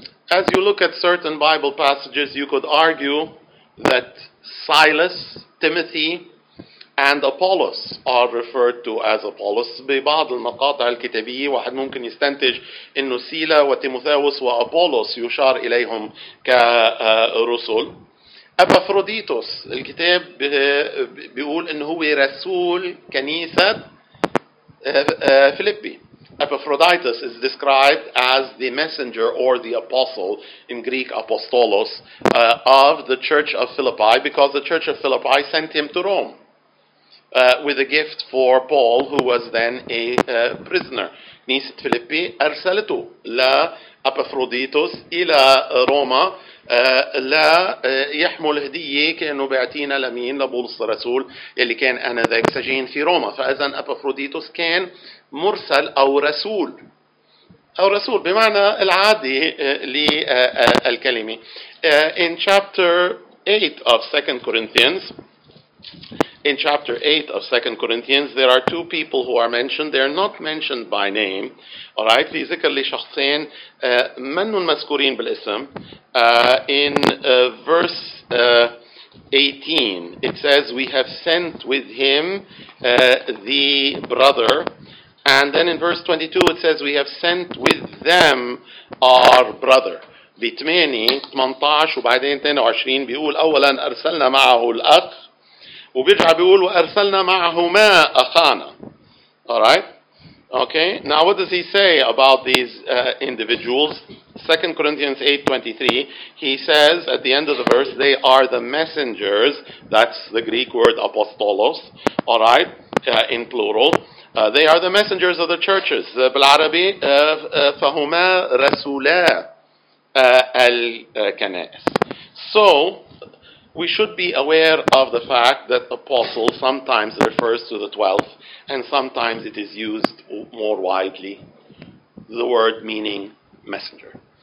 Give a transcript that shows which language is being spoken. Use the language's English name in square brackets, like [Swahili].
[English] As you look at certain Bible passages, you could argue that Silas, Timothy, and Apollos are referred to as Apollos. [Arabic] ببعض المقاطع الكتابية واحد ممكن يستنتج إنه سيلا وتيموثاوس وأبولوس يشار إليهم كرسل. أبافروديتوس الكتاب بيقول إنه هو رسول كنيسة فيليبي. [English] Epaphroditus is described as the messenger or the apostle, in Greek apostolos, of the church of Philippi, because the church of Philippi sent him to Rome with a gift for Paul, who was then a prisoner. [Arabic] كنيسة فيليبي أرسلته لأبافروديتوس إلى روما لا يحمل هدية كأنه بيعطينا لمين لبولس الرسول اللي كان أنا ذاك سجين في روما. فإذا أبافروديتوس كان مرسل أو رسول أو رسول بمعنى العادي للكلمة. [English] In chapter 8 of 2 Corinthians, in chapter 8 of 2 Corinthians, there are two people who are mentioned. They are not mentioned by name. [Arabic] All right, في ذكر لشخصين من المذكورين بالاسم. [English] In verse 18, it says, we have sent with him the brother. And then in verse 22, it says, we have sent with them our brother. [Arabic] بثماني 18 وبعدين 22 بيقول أولا أرسلنا معه الأخ وبيرجع بيقول وأرسلنا معهما أخانا. [English] Alright, okay. Now what does he say about these individuals? 2 Corinthians 8:23, he says at the end of the verse, they are the messengers. That's the Greek word apostolos. Alright, in plural. They are the messengers of the churches. [Arabic] بالعربي فهما رسولا الكنائس. [English] So we should be aware of the fact that apostle sometimes refers to the 12 and sometimes it is used more widely, the word meaning messenger.